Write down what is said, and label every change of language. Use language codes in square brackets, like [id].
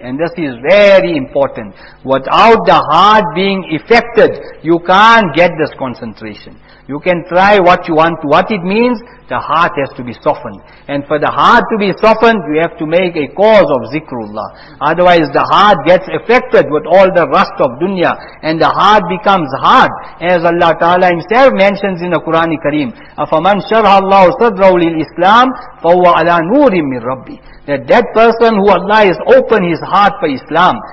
[en] And this is very important. Without the heart being affected, you can't get this concentration. You can try what you want. What it means, the heart has to be softened. And for the heart to be softened, you have to make a cause of zikrullah. Otherwise, the heart gets affected with all the rust of dunya. And the heart becomes hard. [ar] As Allah Ta'ala Himself mentions in the Qur'an Kareem, أَفَمَنْ شَرْحَ اللَّهُ صَدْرَهُ لِلْإِسْلَامِ فَهُوَ عَلَى نُورٍ مِّن رَبِّهِ. [en] That person who Allah has opened his heart for Islam.